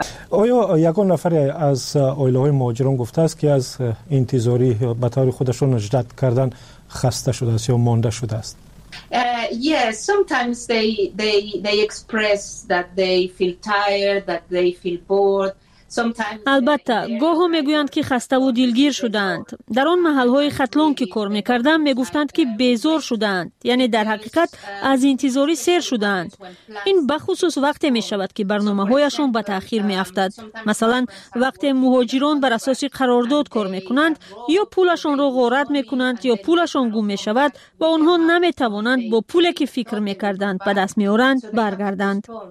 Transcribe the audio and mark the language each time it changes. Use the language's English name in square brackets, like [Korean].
[Persian] آیا یکان نفر از آیله های مهاجران گفته است که از انتظاری به طور خودشون اجرت کردن خسته شده است یا مانده شده است؟ [English] Sometimes they express that they feel tired, that they feel bored. [Persian] البته گاه ها میگویند که خسته و دلگیر شدند. در آن محل های خطلان که کار میکردم میگفتند که بیزار شدند، یعنی در حقیقت از انتظاری سر شدند. این بخصوص وقتی میشود که برنامه هایشون به تاخیر میافتد. مثلا وقتی مهاجران بر اساس قرارداد کار میکنند یا پولشون رو غارت میکنند یا پولشون گم میشود و آنها نمیتوانند با پولی که فکر میکردند به دست میارند برگردند.